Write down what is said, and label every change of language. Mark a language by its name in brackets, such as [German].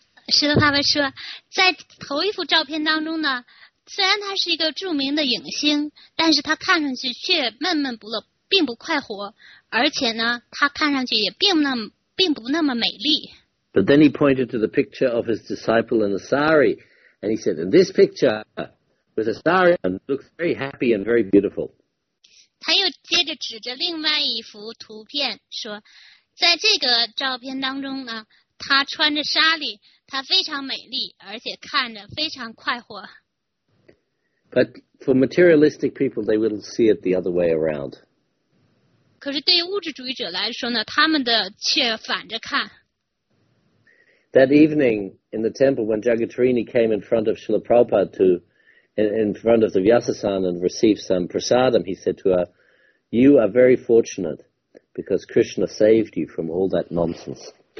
[Chinese] Srila Prabhupada 说，在头一幅照片当中呢，虽然她是一个著名的影星，但是她看上去却闷闷不乐，并不快活，而且呢，她看上去也并不那么美丽。 [English] But then he pointed to the picture of his disciple in the sari, and he said, in this picture, with a sari, and looks very happy and very beautiful. [Chinese] 他又接着指着另外一幅图片说，在这个照片当中呢，他穿着纱丽，他非常美丽，而且看着非常快活。 [English] But for materialistic people, they will see it the other way around. [Chinese] 可是对于物质主义者来说呢，他们的却反着看。 [English] That evening in the temple, when Jagatarini came in front of Srila Prabhupada to, in front of the Vyasasana and received some prasadam, he said to her, "You are very fortunate because Krishna saved you from all that nonsense."